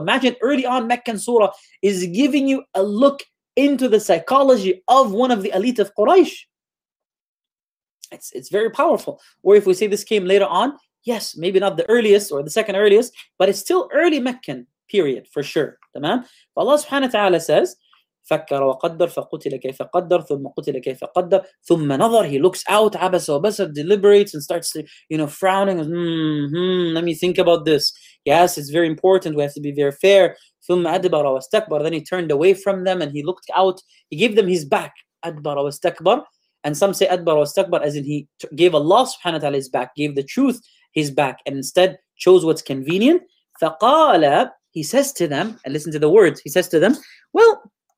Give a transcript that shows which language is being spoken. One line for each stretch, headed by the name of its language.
English: Imagine early on, Meccan Surah is giving you a look into the psychology of one of the elite of Quraysh. It's very powerful. Or if we say this came later on, yes, maybe not the earliest or the second earliest, but it's still early Meccan period for sure. Tamam? But Allah subhanahu wa ta'ala says,
Arabic: فَكَّرَ وَقَدَّرَ فَقُتِلَ كَيْفَ قَدَّرَ ثُمَّ قُتِلَ كَيْفَ قَدَّرَ ثُمَّ نَظَرَ.
English: He looks out,
Arabic: عَبَسَ وَبَسَرَ,
English: deliberates and starts to, you know, frowning. Let me think about this. Yes, it's very important. We have to be very fair.
Arabic: ثُمَّ أَدْبَرَ وَاسْتَكْبَرَ.
English: Then he turned away from them and he looked out. He gave them his back.
Arabic: أَدْبَرَ وَاسْتَكْبَرَ.
English: And some say
Arabic: أَدْبَرَ وَاسْتَكْبَرَ
English: as in he gave Allah subhanahu wa ta'ala his back, gave the truth his back, and instead chose what's convenient.
Arabic: فَقَالَ.
English: He says to them, and listen to the words, he says to them, well,